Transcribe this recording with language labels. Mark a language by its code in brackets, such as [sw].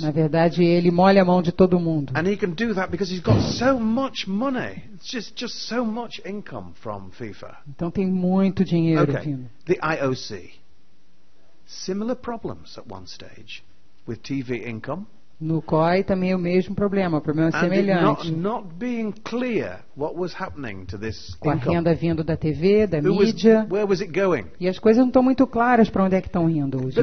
[pt] Na verdade, ele molha a mão de todo mundo. [en] And he can do that because he's got so much money. It's just so much income from FIFA. [pt] Então tem muito dinheiro vindo. [en] The IOC. Similar problems at one stage with TV income. [pt] No COI também é o mesmo problema, problema semelhante. [en] Not being clear what was happening to this [pt] com a renda vindo da TV, da mídia. [en] Where was it going? [pt] E as coisas não estão muito claras para onde é que estão indo o dinheiro.